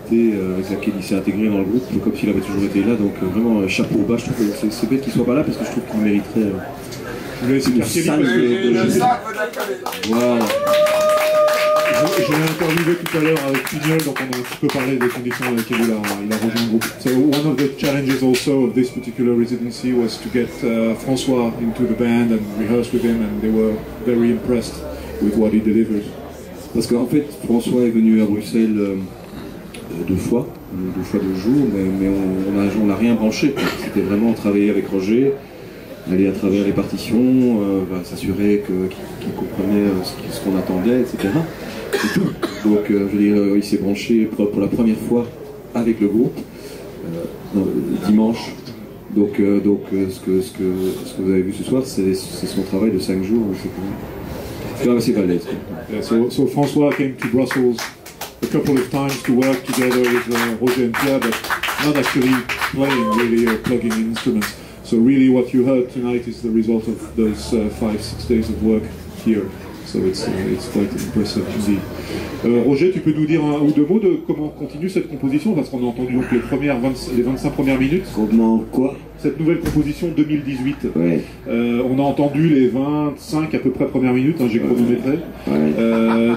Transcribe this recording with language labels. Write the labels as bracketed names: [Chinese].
[French] personnalité avec laquelle il s'est intégré dans le groupe, comme s'il avait toujours été là. Donc vraiment, chapeau bas, je trouve que c'est bête qu'il soit pas là, parce que je trouve qu'il mériterait le sac de la Voilà. J'ai interviewé tout à l'heure avec Pignol, donc on a un petit peu parlé des conditions dans lesquelles il a rejoint le groupe. [English] So one of the challenges also of this particular residency was to get François into the band and rehearse with him, and they were very impressed with what he delivered. [French] Parce qu'en fait, François est venu à Bruxelles deux fois, deux jours, mais on n'a rien branché. C'était vraiment travailler avec Roger, aller à travers les partitions, s'assurer qu'il comprenait ce qu'on attendait, etc. C'est tout. Donc, il s'est branché pour la première fois avec le groupe, dimanche. Donc, ce que vous avez vu ce soir, c'est son travail de 5 jours, je sais pas. [English] So François came to Brussels a couple of times to work together with Roger and Pierre, but not actually playing, really, or plugging instruments. So really what you heard tonight is the result of those 5-6 days of work here. So it's quite impressive to see. [French] Roger, tu peux nous dire un ou deux mots de comment continue cette composition, parce qu'on a entendu donc les 25 premières minutes. Comment quoi? Cette nouvelle composition 2018. Ouais. On a entendu les 25 à peu près premières minutes, hein, j'ai chronométré. Ouais. Ouais.